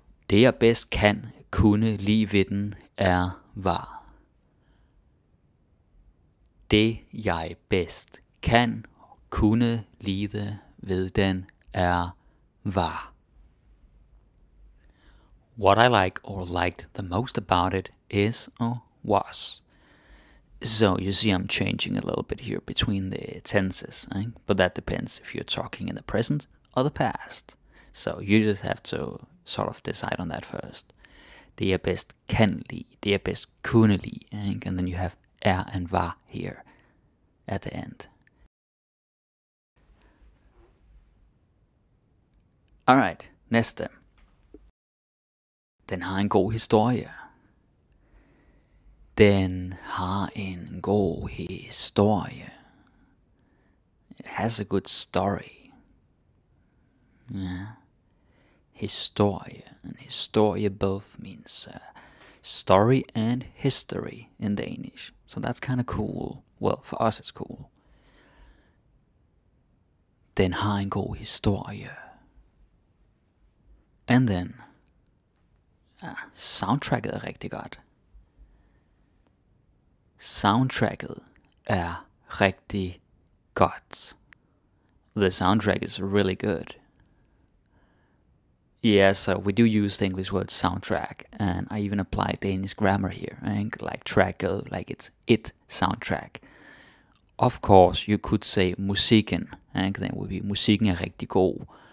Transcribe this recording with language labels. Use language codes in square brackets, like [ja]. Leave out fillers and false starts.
[da] Det jeg bedst kan kunne lide ved den er, var. Det jeg bedst kan kunne lide ved den er, var. [en] What I like or liked the most about it is or was. So you see I'm changing a little bit here between the tenses, right? But that depends if you're talking in the present or the past. So you just have to sort of decide on that first. [da] Det jeg bedst kan lide, det jeg bedst kunne lide, right? [en] And then you have er and var here at the end. [da] Alright, næste. Den har en god historie. Den har en god historie. [en] It has a good story. Yeah. Historie. And historie both means story and history in Danish. So that's kind of cool. Well, for us it's cool. [da] Den har en god historie. [en] And then, [da] soundtracket er rigtig godt. Soundtracket er rigtig godt. [en] The soundtrack is really good. Yeah, so we do use the English word soundtrack, and I even apply Danish grammar here, right? Like tracket, like it's it soundtrack. Of course, you could say musikken, and then it would be [da] musikken er rigtig god.